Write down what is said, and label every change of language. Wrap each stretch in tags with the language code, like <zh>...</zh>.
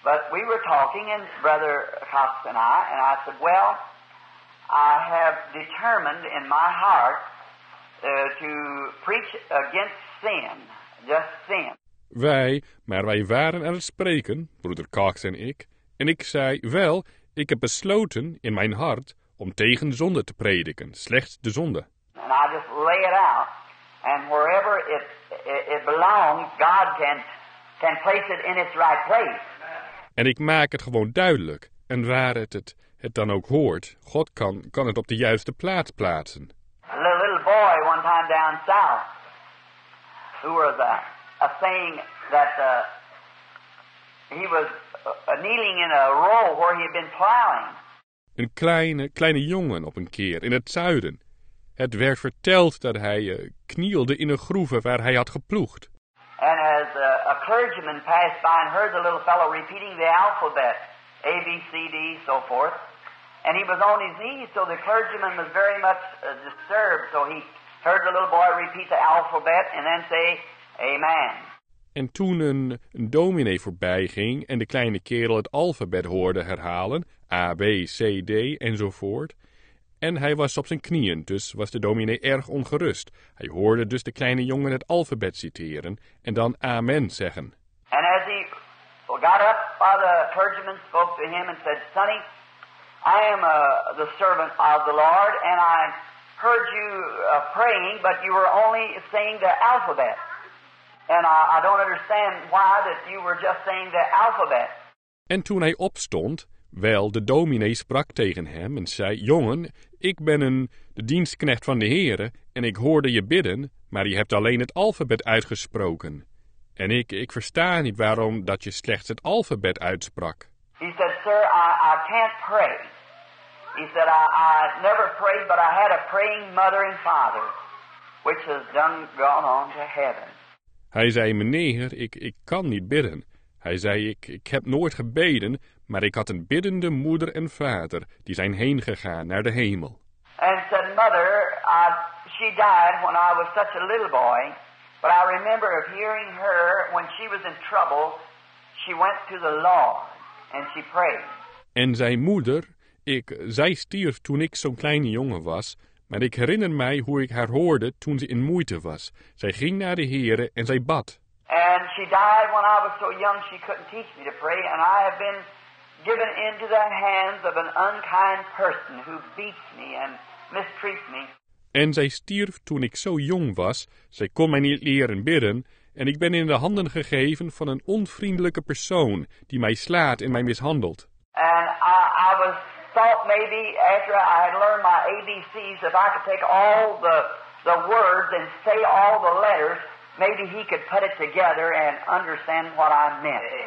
<en>We were talking and Brother Cox and I said, well, I have determined in my heart to preach against sin, just sin.</en> <nl>Wij waren aan het spreken, broeder Cox en ik zei, wel, ik heb besloten in mijn hart om tegen zonde te prediken, slechts de zonde.</nl> <en>And I just lay it out, and wherever it belongs, God can place it in its right place.</en> <nl>En ik maak het gewoon duidelijk, en waar het dan ook hoort, God kan het op de juiste plaats plaatsen.</nl> <en>A little boy one time down south, who was a saying that he was kneeling in a row where he had been plowing.</en> <nl>Een kleine jongen op een keer in het zuiden. Het werd verteld dat hij knielde in een groeve waar hij had geploegd.</nl> <en>And as a clergyman passed by and heard the little fellow repeating the alphabet, A, B, C, D, so forth. And he was on his knees, so the clergyman was very much disturbed. So he heard the little boy repeat the alphabet and then say, Amen.</en> <nl>En toen een dominee voorbij ging en de kleine kerel het alfabet hoorde herhalen, A, B, C, D, enzovoort. En hij was op zijn knieën, dus was de dominee erg ongerust. Hij hoorde dus de kleine jongen het alfabet citeren en dan amen zeggen.</nl> <en>And as he got up, the clergyman spoke to him and said, Sonny, I am the servant of the Lord and I heard you praying, but you were only saying the alphabet. And I don't understand why that you were just saying the alphabet.</en> <nl>En toen hij opstond, wel, de dominee sprak tegen hem en zei, jongen, ik ben de dienstknecht van de Heere en ik hoorde je bidden, maar je hebt alleen het alfabet uitgesproken. En ik versta niet waarom dat je slechts het alfabet uitsprak.</nl> <en>He said, sir, I can't pray. He said, I never prayed, but I had a praying mother and father, which has done gone on to heaven.</en> <nl>Hij zei, meneer, ik kan niet bidden. Hij zei, ik heb nooit gebeden, maar ik had een biddende moeder en vader die zijn heen gegaan naar de hemel.</nl> <en>And said, mother, she died when I was such a little boy, but I remember of hearing her when she was in trouble, she went to the Lord and she prayed.</en> <nl>En zijn moeder, zij stierf toen ik zo'n kleine jongen was, maar ik herinner mij hoe ik haar hoorde toen ze in moeite was. Zij ging naar de Heere en zij bad.</nl> <en>And she died when I was so young she couldn't teach me to pray, and I have been given into the hands of an unkind person who beats me and mistreats me.</en> <nl>En zij stierf toen ik zo jong was, zij kon mij niet leren bidden, en ik ben in de handen gegeven van een onvriendelijke persoon die mij slaat en mij mishandelt.</nl> <en>And I was thought maybe after I had learned my ABC's, if I could take all the words and say all the letters, maybe he could put it together and understand what I meant.</en>